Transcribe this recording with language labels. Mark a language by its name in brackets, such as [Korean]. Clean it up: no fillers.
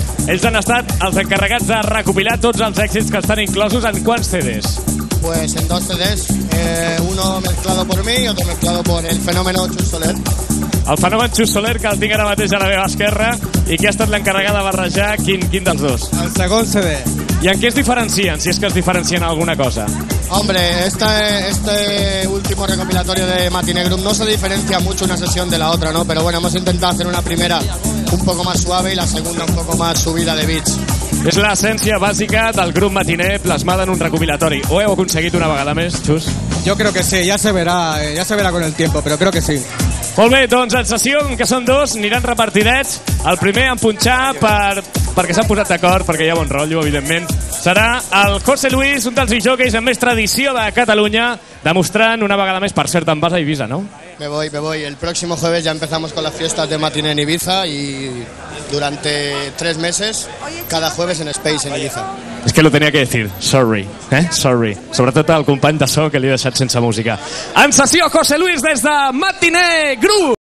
[Catalan] Ells han estat els encarregats de recopilar tots els èxits que estan inclosos en quants CDs? [Spanish] Pues en dos CDs. Uno mezclado por mí y otro mezclado por el fenómeno Chus Soler. [Catalan] El fenomen Chus Soler, que el tinc ara mateix a la meva esquerra. I qui ha estat l'encarregat de barrejar? Quin dels dos? El segon CD. I en què es diferencien, si és que es diferencien alguna cosa? [Spanish] Hombre, este último recopilatorio de Matiner Grup no se diferencia mucho una sesión de la otra, ¿no? Pero bueno, hemos intentado hacer una primera un poco más suave y la segunda un poco más subida de beats. [Catalan] És l'essència bàsica del grup Matiner plasmada en un recopilatori. Ho heu aconseguit una vegada més, Chus? [Spanish] Yo creo que sí, ya se verá con el tiempo, pero creo que sí. [Catalan] Molt bé, doncs en sessió, que són dos, aniran repartidets. El primer en punxar perquè s'han posat d'acord, perquè hi ha bon rotllo, evidentment, serà el José Luis, un dels jockeys amb més tradició de Catalunya, demostrant una vegada més, per cert, en base a Ibiza, no? [Spanish] Me voy. El próximo jueves ya empezamos con las fiestas de Matiner en Ibiza y durante 3 meses, cada jueves en Space en Ibiza. Es que lo tenía que decir. [English] Sorry, sorry. [Catalan] Sobretot al company de so que li he deixat sense música. En sessió, José Luis des de Matiner Grup.